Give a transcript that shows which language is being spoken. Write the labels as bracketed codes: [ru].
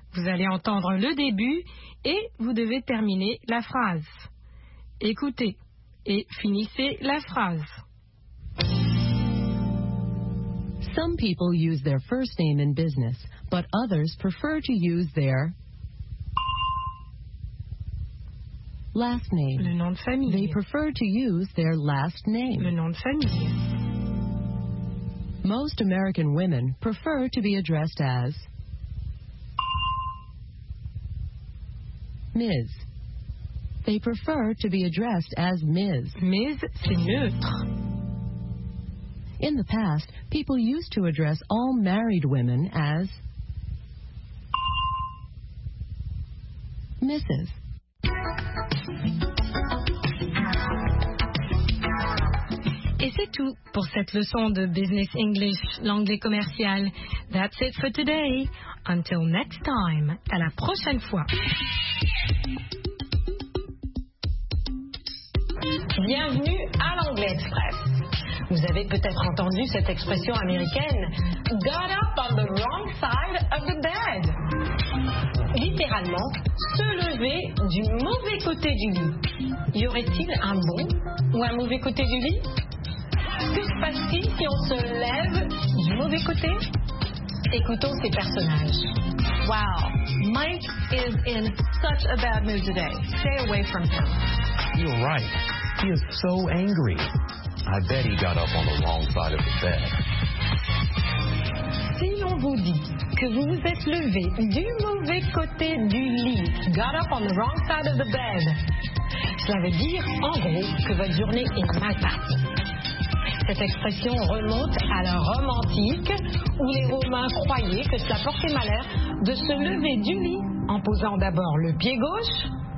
[fr] Vous allez entendre le début et vous devez terminer la phrase. Écoutez et finissez la phrase. [en] Some people use their first name in business, but others prefer to use their last name. [fr] Le nom de famille. [en] They prefer to use their last name. [fr] Le nom de famille. [en] Most American women prefer to be addressed as Ms. They prefer to be addressed as Ms. [fr] Ms, c'est neutre. [en] In the past, people used to address all married women as Mrs. [fr] Et c'est tout pour cette leçon de Business English, l'anglais commercial. [en] That's it for today. Until next time, [fr] à la prochaine fois. Bienvenue à l'Anglais Express. Vous avez peut-être entendu cette expression américaine « [en] got up on the wrong side of the bed ». [fr] Littéralement, se lever du mauvais côté du lit. Y aurait-il un bon ou un mauvais côté du lit ? Que se passe-t-il si on se lève du mauvais côté ? Écoutons ces personnages. [en] Wow, Mike is in such a bad mood today. Stay away from him. You're right. He is so angry. I bet he got up on the wrong side of the bed. [fr] Si l'on vous dit que vous vous êtes levé du mauvais côté du lit, [en] got up on the wrong side of the bed, [fr] cela veut dire, en gros, que votre journée est mal partie. Cette expression remonte à la Rome antique, où les Romains croyaient que cela portait malheur de se lever du lit en posant d'abord le pied gauche.